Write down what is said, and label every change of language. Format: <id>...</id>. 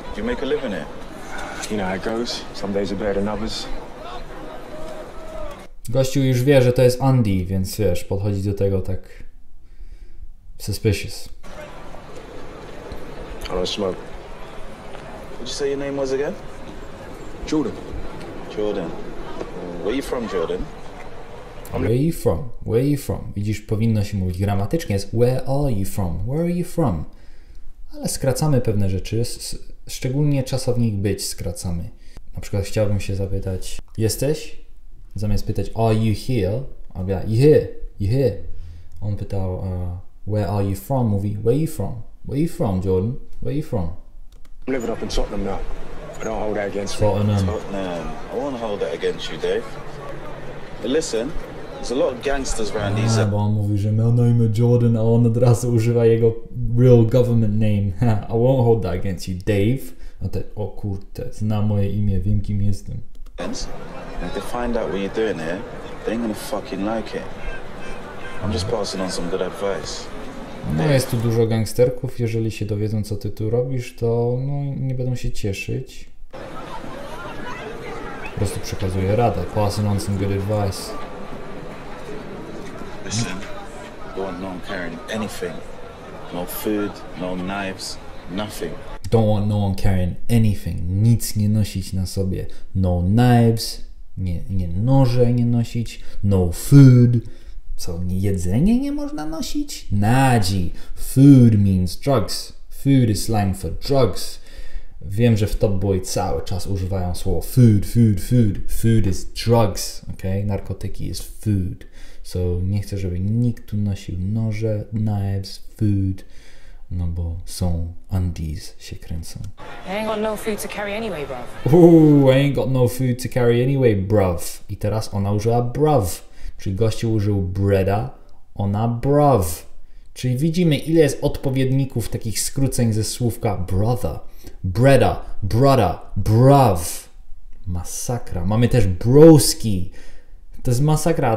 <en>Do you make a living here? You know how it goes. Some days are better than others.</en> <pl>Gościu już wie, że to jest Andy, więc wiesz, podchodzi do tego tak suspicious.</pl> <en>I don't smoke. What'd you say your name was again? Jordan. Jordan. Where you from, Jordan? Where are you from? Where are you from?</en> <pl>Widzisz, powinno się mówić gramatycznie, jest</pl> <en>where are you from? Where are you from?</en> <pl>Ale skracamy pewne rzeczy, szczególnie czasownik być skracamy. Na przykład chciałbym się zapytać, jesteś? Zamiast pytać,</pl> <en>are you here?</en> <pl>A ja,</pl> <en>you here, you here.</en> <pl>On pytał,</pl> <en>where are you from?</en> <pl>Mówi,</pl> <en>where are you from? Where are you from, Jordan? Where are you from? I'm living up in Tottenham now. I don't hold that against you. Tottenham. Tottenham. I won't hold that against you, Dave. But listen, there's a lot of gangsters around these.</en> <pl>Bo on mówi, że miał na imię Jordan, a on od razu używa jego</pl> <en>real government name. I won't hold that against you, Dave.</en> <pl>A te, o kurde, zna moje imię, wiem kim jestem.</pl> <en>And if they find out what you're doing here, they ain't gonna fucking like it. I'm just passing on some good advice.</en> <pl>No jest tu dużo gangsterków, jeżeli się dowiedzą co ty tu robisz, to no nie będą się cieszyć. Po prostu przekazuję radę.</pl> <en>Passing on some good advice. Listen, don't want no one carrying anything. No food, no knives, nothing. Don't want no one carrying anything.</en> <pl>Nic nie nosić na sobie.</pl> <en>No knives,</en> <pl>nie noże nie nosić,</pl> <en>no food.</en> <pl>Co, jedzenie nie można nosić? Nadzi.</pl> <en>Food means drugs. Food is slang for drugs.</en> <pl>Wiem, że w Top Boy cały czas używają słowo food, food, food.</pl> <en>Food is drugs. Okay?</en> <pl>Narkotyki</pl> <en>is food.</en> <pl>So nie chcę, żeby nikt tu nosił noże, knives, food. No bo są undies się kręcą.</pl> <en>I ain't got no food to carry anyway, bruv. Ooh, I ain't got no food to carry anyway, bruv.</en> <pl>I teraz ona użyła bruv. Czyli gościu użył breda, ona bruv. Czyli widzimy, ile jest odpowiedników takich skróceń ze słówka brother. Breda, brother, bruv. Masakra. Mamy też broski. To jest masakra.</pl>